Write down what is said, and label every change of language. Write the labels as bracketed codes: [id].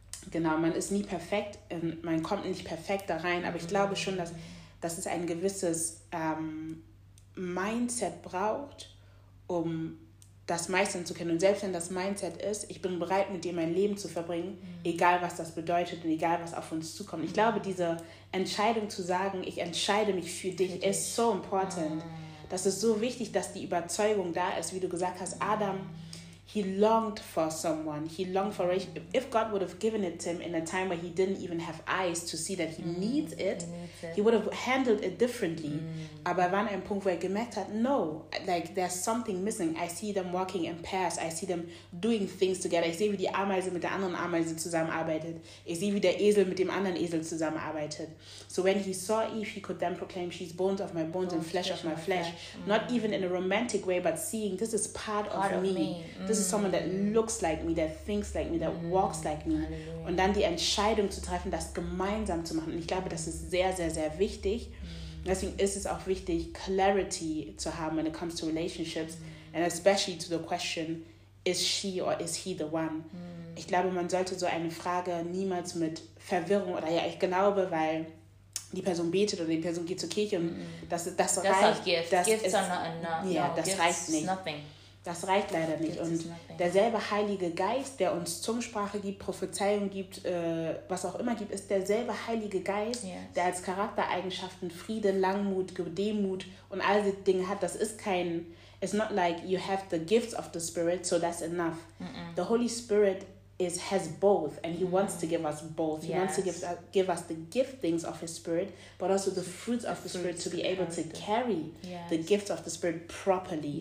[de] Genau, man ist nie perfekt, man kommt nicht perfekt da rein, aber ich glaube schon, dass es ein gewisses Mindset braucht, um das meistern zu können. Und selbst wenn das Mindset ist, ich bin bereit, mit dir mein Leben zu verbringen, egal was das bedeutet und egal was auf uns zukommt. Ich glaube, diese Entscheidung zu sagen, ich entscheide mich für dich, ist so important. Das ist so wichtig, dass die Überzeugung da ist, wie du gesagt hast, Adam, [en] he longed for someone. He longed for Rachel. If God would have given it to him in a time where he didn't even have eyes to see that he needs it, he would have handled it differently. [de] Aber er war an einem Punkt, wo er gemerkt hat, [en] no, like there's something missing. I see them walking in pairs. I see them doing things together. [de] Ich sehe, wie die Ameise mit der anderen Ameise zusammenarbeitet. Ich sehe, wie der Esel mit dem anderen Esel zusammenarbeitet. [en] So when he saw Eve, he could then proclaim, she's bones of my bones and flesh of my flesh. Not even in a romantic way, but seeing this is part of me. This is someone that looks like me, that thinks like me, that walks like me. [de] Halleluja. Und dann die Entscheidung zu treffen, das gemeinsam zu machen. Und ich glaube, das ist sehr, sehr, sehr wichtig. Deswegen ist es auch wichtig, Clarity zu haben, [en] when it comes to relationships. And especially to the question, is she or is he the one? [de] Ich glaube, man sollte so eine Frage niemals mit Verwirrung oder ja, ich glaube, weil die Person betet oder die Person geht zur Kirche und das reicht. [en] That's like gift. [de] Das gifts ist, [en] are not enough. Yeah, no, [de] das [en] gifts [de] reicht nicht. [en] Nothing. [de] Das reicht leider nicht. Und derselbe Heilige Geist, der uns Zungensprache gibt, Prophezeiung gibt, was auch immer gibt, ist derselbe Heilige Geist, der als Charaktereigenschaften Frieden, Langmut, Demut und all diese Dinge hat. Das ist kein, [en] it's not like you have the gifts of the Spirit, so that's enough. Mm-mm. The Holy Spirit has both and he wants to give us both. He wants to give us the gift things of his Spirit, but also the fruits of the Spirit to be able to carry the gifts of the Spirit properly.